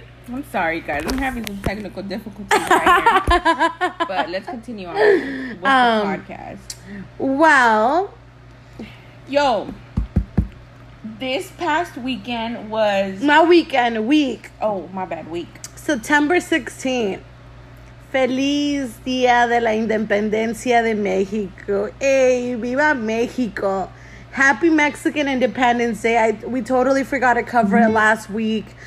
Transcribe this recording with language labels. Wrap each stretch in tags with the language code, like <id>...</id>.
<en>I'm sorry, guys. I'm having some technical difficulties right here. But let's continue on with the podcast. Well, yo, this past weekend was... My weekend, week. Oh, my bad, week. September 16th.</en> <es>Feliz Día de la Independencia de México. Hey, viva México.</es> <en>Happy Mexican Independence Day. We totally forgot to cover it last week.</en>